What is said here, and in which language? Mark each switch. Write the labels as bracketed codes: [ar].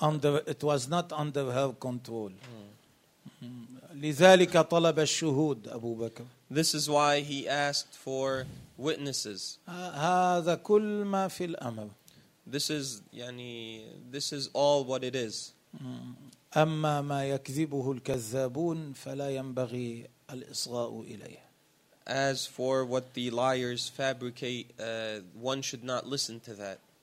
[en] under, it was not under her control. [ar] لذلك طلب الشهود أبو بكر. [en] This is why he asked for witnesses. [ar] هذا كل ما في الأمر. [en] This is [ar] يعني, [en] this is all what it is. [ar] أما ما يكذبه الكذابون فلا ينبغي الإصغاء إليه. [en] As for what the liars fabricate, one should not listen to that.